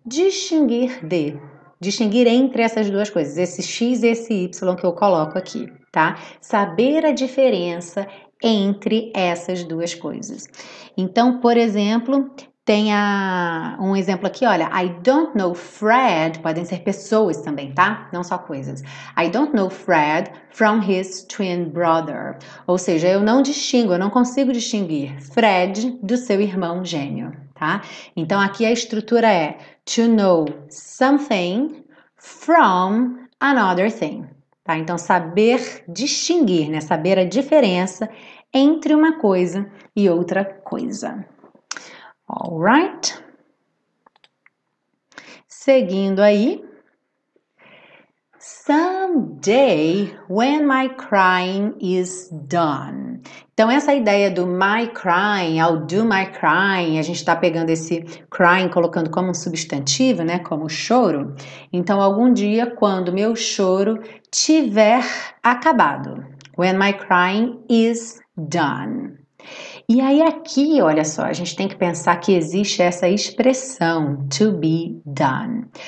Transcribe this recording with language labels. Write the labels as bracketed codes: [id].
[pt] Distinguir de. Distinguir entre essas duas coisas, esse X e esse Y que eu coloco aqui, tá? Saber a diferença entre essas duas coisas. Então, por exemplo, tem um exemplo aqui, olha. [en] I don't know Fred. [pt] Podem ser pessoas também, tá? Não só coisas. [en] I don't know Fred from his twin brother. [pt] Ou seja, eu não distingo, eu não consigo distinguir Fred do seu irmão gêmeo, tá? Então, aqui a estrutura é [en] to know something from another thing, [pt] tá? Então, saber distinguir, né? Saber a diferença entre uma coisa e outra coisa. [en] All right? [pt] Seguindo aí. [en] Someday, when my crying is done. [pt] Então, essa ideia do my crying, [en] I'll do my crying, [pt] a gente está pegando esse crying, colocando como um substantivo, né? Como choro. Então, algum dia, quando meu choro tiver acabado. [en] When my crying is done. [pt] E aí, aqui, olha só, a gente tem que pensar que existe essa expressão to be done.